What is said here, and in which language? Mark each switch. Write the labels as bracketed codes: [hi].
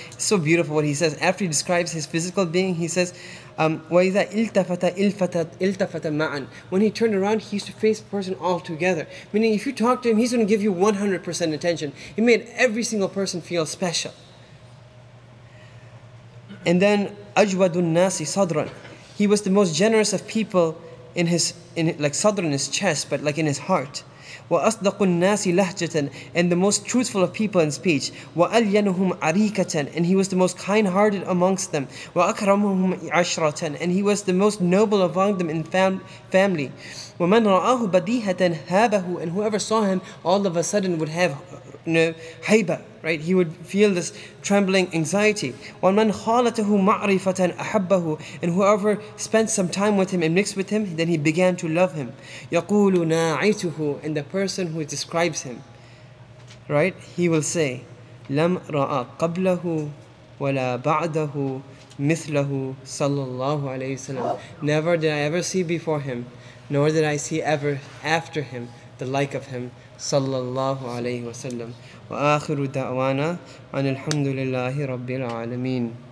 [en] It's so beautiful what he says. After he describes his physical being, he says, [ar] وَإِذَا إِلْتَفَتَ إِلْتَفَتَ مَعًا. [en] When he turned around, he used to face the person all together. Meaning if you talk to him, he's going to give you 100% attention. He made every single person feel special. And then, [ar] أَجْوَدُ النَّاسِ صَدْرًا. [en] He was the most generous of people in his chest, but like in his heart. [ar] وَأَصْدَقُ النَّاسِ لَهْجَةً. [en] And the most truthful of people in speech. [ar] وَأَلْيَنُهُمْ عَرِيكَةً. [en] And he was the most kind-hearted amongst them. [ar] وَأَكْرَمُهُمْ عَشْرَةً. [en] And he was the most noble among them in family. [ar] وَمَنْ رَآهُ بَدِيهَةً هَابَهُ. [en] And whoever saw him, all of a sudden would have, you know, haiba, right? He would feel this trembling anxiety. [ar] وَمَنْ خَالَتَهُ مَعْرِفَةً أَحَبَّهُ. [en] And whoever spent some time with him and mixed with him, then he began to love him. [ar] يَقُولُ نَاعِتُهُ. [en] And the person who describes him, right? He will say, [ar] لَمْ رَأَ قَبْلَهُ وَلَا بَعْدَهُ مِثْلَهُ صَلَّى اللَّهُ عَلَيْهِ وَسَلَّمَ. [en] Never did I ever see before him, nor did I see ever after him the like of him, [ar] صلى الله عليه وسلم. وآخر دعوانا أن الحمد لله رب العالمين.